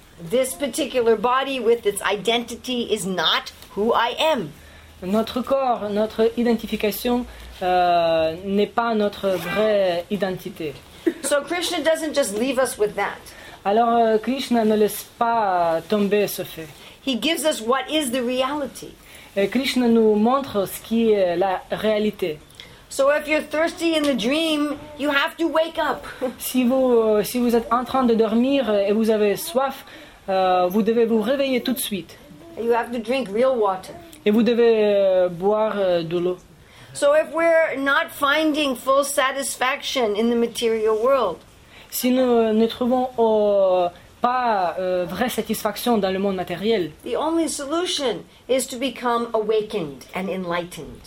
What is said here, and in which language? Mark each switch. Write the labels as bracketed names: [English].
[English] This particular body with its identity is not who I am. [French] Notre corps, notre identification n'est pas notre vraie identité. [English] So Krishna doesn't just leave us with that. [French] Alors Krishna ne laisse pas tomber ce fait. [English] He gives us what is the reality. [French] Et Krishna nous montre ce qui est la réalité. [English] So if you're thirsty in the dream, you have to wake up. [French] Si vous êtes en train de dormir et vous avez soif, vous devez vous réveiller tout de suite. [English] You have to drink real water. [French] Et vous devez boire de l'eau. [English] So if we're not finding full satisfaction in the material world, [French] si nous ne trouvons pas vraie satisfaction dans le monde matériel, [English] the only solution is to become awakened and enlightened.